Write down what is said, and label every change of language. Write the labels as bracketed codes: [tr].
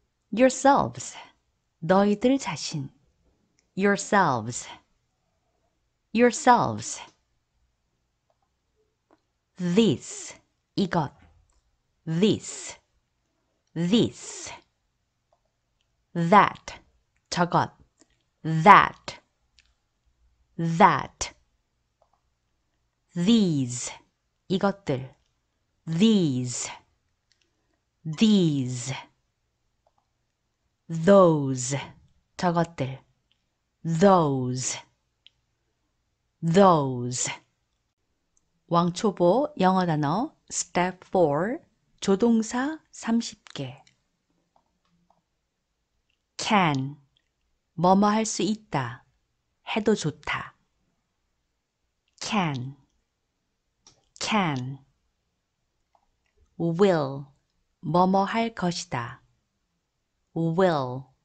[en] Yourselves, [ko] 너희들 자신, [en] yourselves. This, [ko] 이것, [en] this. That, [ko] 저것, [en] that. that, these, [ko] 이것들, [en] these, those, [ko] 저것들, [en] those. [ko] 왕초보 영어 단어 step 4 조동사 30개 can 뭐뭐 할 수 있다 해도 좋다 can will 뭐뭐 할 것이다 will